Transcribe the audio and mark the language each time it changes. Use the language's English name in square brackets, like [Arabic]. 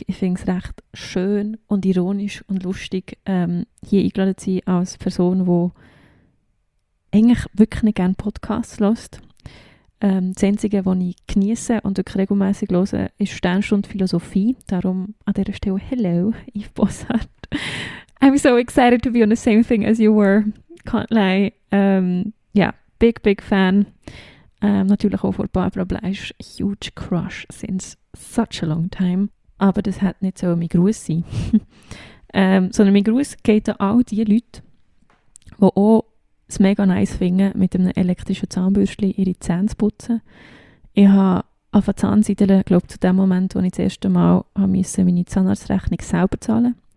[German] Ich finde es recht schön und ironisch und lustig, hier eingeladen zu sein als Person, die eigentlich wirklich nicht gerne Podcasts hört. Das Einzige, was ich genieße und wirklich regelmässig höre, ist Sternstunde Philosophie. Darum an dieser Stelle hello, Yves Bossart. [English] I'm so excited to be on the same thing as you were. Can't lie. Yeah, big, big fan. [German] Natürlich auch von Barbara Bleisch. [English] Huge crush since such a long time. [German] Aber das hat nicht so mein Gruß sein. sondern mein Gruß geht an all die Leute, die auch es mega nice finden, mit einem elektrischen Zahnbürstchen ihre Zähne zu putzen. Ich habe auf der Zahnseidele, glaube ich, zu dem Moment, wo ich das erste Mal musste, meine Zahnarztrechnung selber zahlen.